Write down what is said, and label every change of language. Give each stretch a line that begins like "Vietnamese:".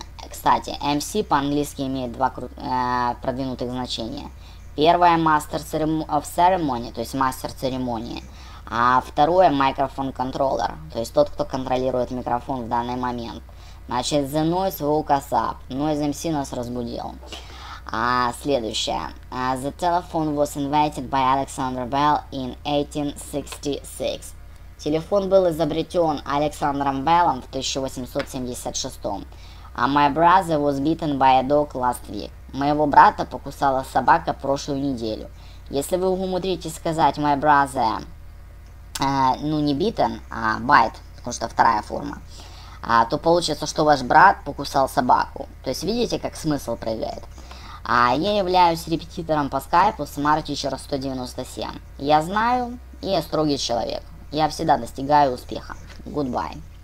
Russian: Кстати, MC по-английски имеет два продвинутых значения. Первое Master of Ceremony, то есть мастер церемонии. А второе Microphone Controller, то есть тот, кто контролирует микрофон в данный момент.
English: Значит, The Noise Woke Us Up.
Russian: Noise MC нас разбудил. А следующее.
English: The telephone was invented by Alexander Bell in 1866.
Russian: Телефон был изобретен Александром Беллом в 1876.
English: My brother was bitten by a dog last week.
Russian: Моего брата покусала собака прошлую неделю. Если вы умудритесь сказать
English: my brother,
Russian: ну не bitten, а bite, потому что вторая форма, то получится, что ваш брат покусал собаку. То есть видите, как смысл проявляет. Я являюсь репетитором по скайпу с Smart Teacher 197. Я знаю и я строгий человек. Я всегда достигаю успеха.
English: Goodbye.